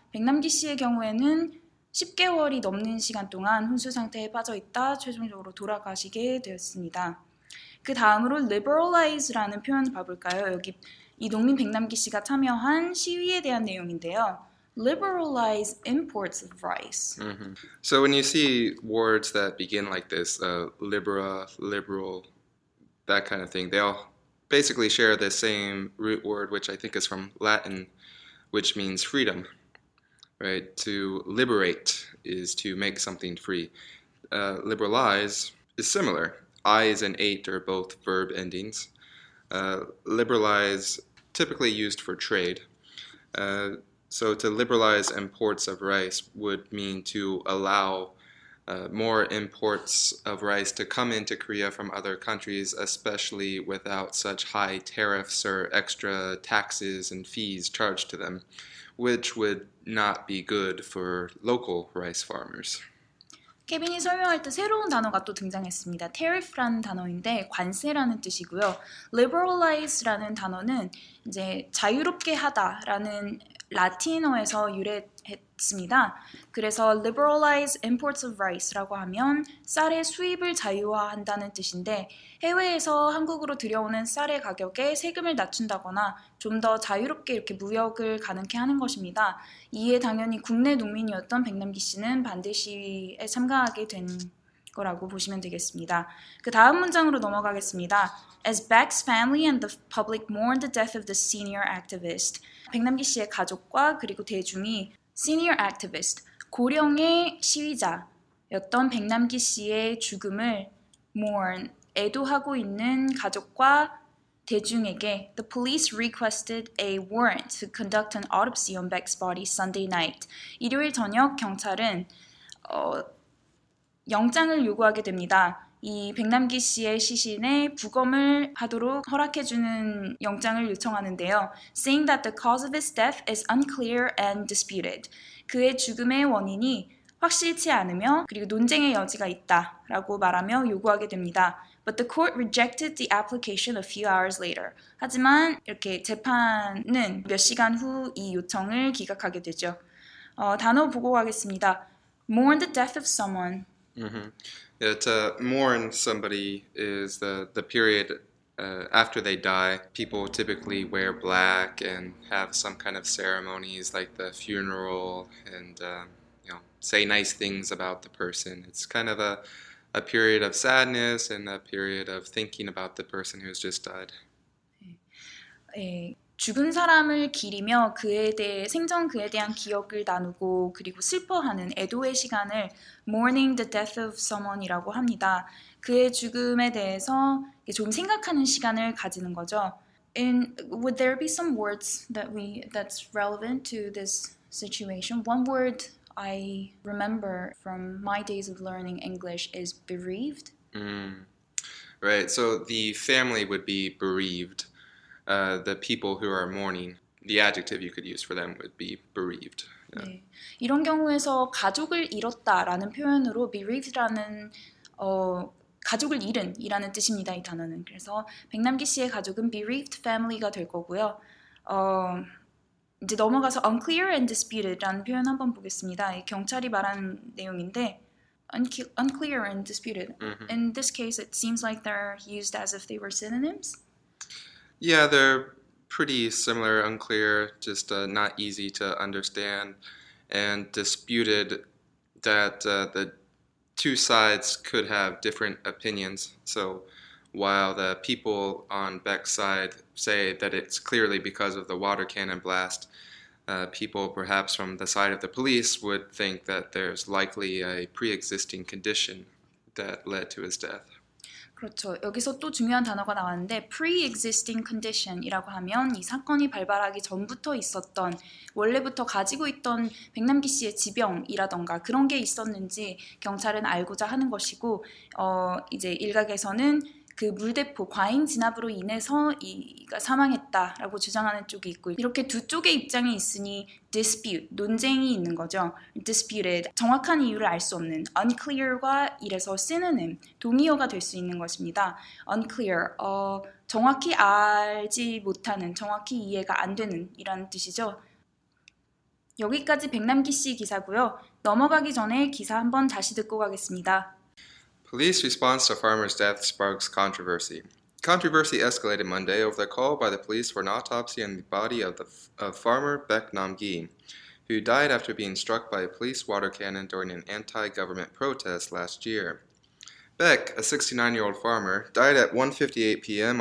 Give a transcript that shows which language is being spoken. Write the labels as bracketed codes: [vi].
[ko] 백남기 씨의 경우에는 10개월이 넘는 시간 동안 혼수 상태에 빠져 있다 최종적으로 돌아가시게 되었습니다. 그 다음으로 liberalize라는 표현을 봐볼까요? 여기 이 농민 백남기 씨가 참여한 시위에 대한 내용인데요. [en] Liberalize imports of rice. Mm-hmm. So when you see words that begin like this, liberal, that kind of thing, they all basically share the same root word, which I think is from Latin, which means freedom. Right? To liberate is to make something free. Liberalize is similar. I is an eight are both verb endings. Liberalize, typically used for trade. So to liberalize imports of rice would mean to allow more imports of rice to come into Korea from other countries, especially without such high tariffs or extra taxes and fees charged to them, which would not be good for local rice farmers. [ko] 케빈이 설명할 때 새로운 단어가 또 등장했습니다. Tariff라는 단어인데 관세라는 뜻이고요. Liberalize라는 단어는 이제 자유롭게 하다라는 라틴어에서 유래했습니다. 그래서 [en] liberalize imports of rice [ko] 라고 하면 쌀의 수입을 자유화한다는 뜻인데 해외에서 한국으로 들여오는 쌀의 가격에 세금을 낮춘다거나 좀 더 자유롭게 이렇게 무역을 가능케 하는 것입니다. 이에 당연히 국내 농민이었던 백남기 씨는 반대 시위에 참가하게 된 거라고 보시면 되겠습니다. 그 다음 문장으로 넘어가겠습니다. [en] As Beck's family and the public mourned the death of the senior activist. [ko] 백남기 씨의 가족과 그리고 대중이 senior activist, 고령의 시위자였던 백남기 씨의 죽음을 mourn, 애도하고 있는 가족과 대중에게 [en] The police requested a warrant to conduct an autopsy on Beck's body Sunday night. [ko] 일요일 저녁 경찰은 영장을 요구하게 됩니다. 이 백남기 씨의 시신에 부검을 하도록 허락해주는 영장을 요청하는데요. [en] Saying that the cause of his death is unclear and disputed. [ko] 그의 죽음의 원인이 확실치 않으며 그리고 논쟁의 여지가 있다라고 말하며 요구하게 됩니다. [en] But the court rejected the application a few hours later. [ko] 하지만 이렇게 재판은 몇 시간 후 이 요청을 기각하게 되죠. 단어 보고 가겠습니다. [en] Mourn the death of someone. Mm-hmm. Mourn somebody is the period after they die. People typically wear black and have some kind of ceremonies like the funeral and say nice things about the person. It's kind of a period of sadness and a period of thinking about the person who's just died. [ko] 네. 죽은 사람을 기리며 그에 대해 생전 그에 대한 기억을 나누고 그리고 슬퍼하는 애도의 시간을 [en] mourning the death of someone [ko] 이라고 합니다. 그의 죽음에 대해서 좀 생각하는 시간을 가지는 거죠. [en] And would there be some words that's relevant to this situation? One word I remember from my days of learning English is bereaved. Right. So the family would be bereaved. The people who are mourning, the adjective you could use for them would be bereaved. Yeah. 네. [ko] 이런 경우에서 가족을 잃었다라는 표현으로 bereaved라는 가족을 잃은이라는 뜻입니다. 이 단어는 그래서 백남기 씨의 가족은 bereaved family가 될 거고요. 이제 넘어가서 unclear and disputed라는 표현 한번 보겠습니다. 경찰이 말한 내용인데 [en] unclear and disputed. Mm-hmm. In this case, it seems like they're used as if they were synonyms. Yeah, they're pretty similar, unclear, just not easy to understand, and disputed that the two sides could have different opinions. So while the people on Beck's side say that it's clearly because of the water cannon blast, people perhaps from the side of the police would think that there's likely a pre-existing condition that led to his death. [ko] 그렇죠. 여기서 또 중요한 단어가 나왔는데 pre-existing condition이라고 하면 이 사건이 발발하기 전부터 있었던 원래부터 가지고 있던 백남기 씨의 지병이라던가 그런 게 있었는지 경찰은 알고자 하는 것이고 이제 일각에서는 그 물대포 과잉 진압으로 인해서 이가 사망했다라고 주장하는 쪽이 있고 이렇게 두 쪽의 입장이 있으니 dispute 논쟁이 있는 거죠. disputed 정확한 이유를 알 수 없는 unclear과 이래서 synonym 동의어가 될 수 있는 것입니다. unclear 정확히 알지 못하는 정확히 이해가 안 되는 이런 뜻이죠. 여기까지 백남기 씨 기사고요. 넘어가기 전에 기사 한번 다시 듣고 가겠습니다. [en] Police response to farmer's death sparks controversy. Controversy escalated Monday over the call by the police for an autopsy on the body of farmer Beck Namgi, who died after being struck by a police water cannon during an anti-government protest last year. Beck, a 69-year-old farmer, died at 1:58 p.m.